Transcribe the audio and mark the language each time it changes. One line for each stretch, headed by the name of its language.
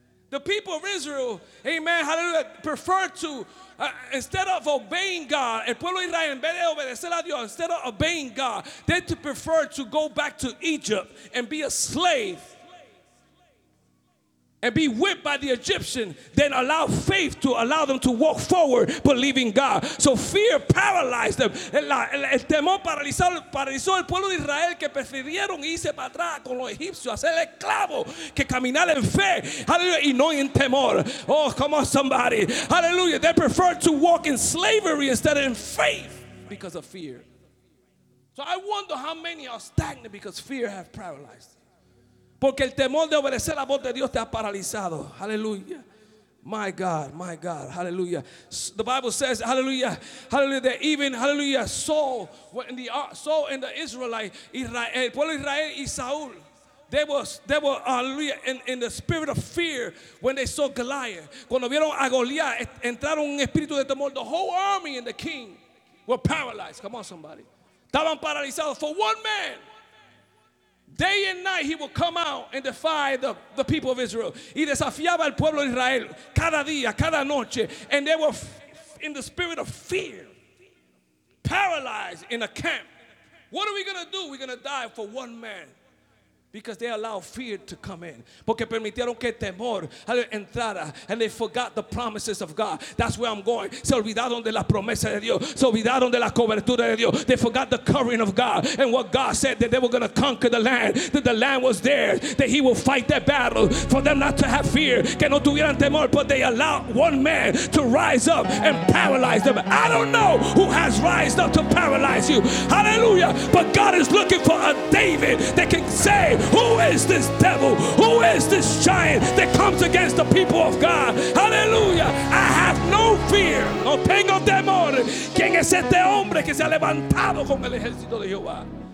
English: The people of Israel, amen, hallelujah, preferred to, instead of obeying God,
Spanish: el pueblo de Israel, en vez de obedecer a Dios,
English: instead of obeying God, they preferred to go back to Egypt and be a slave and be whipped by the Egyptian than allow faith to allow them to walk forward believing God. So fear paralyzed them.
Spanish: El temor paralizó el pueblo de Israel que prefirieron irse para atrás con los egipcios, hacer esclavo, que caminar en fe.
English: Hallelujah.
Spanish: Y no en temor.
English: Oh, come on, somebody. Hallelujah. They prefer to walk in slavery instead of in faith because of fear. So I wonder how many are stagnant because fear has paralyzed them.
Spanish: Porque el temor de obedecer la voz de Dios te ha paralizado.
English: Hallelujah. My God, hallelujah. The Bible says, hallelujah, hallelujah, that even, hallelujah, Saul and the Israelite, Israel,
Spanish: el pueblo Israel y Saúl,
English: they were, hallelujah, in the spirit of fear when they saw Goliath.
Spanish: Cuando vieron a Goliath, entraron un espíritu de temor.
English: The whole army and the king were paralyzed. Come on, somebody.
Spanish: Estaban paralizados
English: for one man. Day and night he will come out and defy the people of Israel.
Spanish: Y desafiaba al pueblo de Israel cada día, cada noche.
English: And they were in the spirit of fear, paralyzed in a camp. What are we going to do? We're going to die for one man. Because they allowed fear to come in.
Spanish: Porque permitieron que temor entrara.
English: And they forgot the promises of God. That's where I'm going.
Spanish: Se olvidaron de la promesa de Dios. Se olvidaron de la cobertura de Dios.
English: They forgot the covering of God. And what God said, that they were going to conquer the land. That the land was theirs. That he will fight their battle. For them not to have fear.
Spanish: Que no tuvieran temor.
English: But they allowed one man to rise up and paralyze them. I don't know who has risen up to paralyze you. Hallelujah. But God is looking for a David that can say, who is this devil? Who is this giant that comes against the people of God? Hallelujah. I have no fear.
Spanish: No tengo temor. ¿Quién es este hombre que se ha levantado con el ejército de Jehová?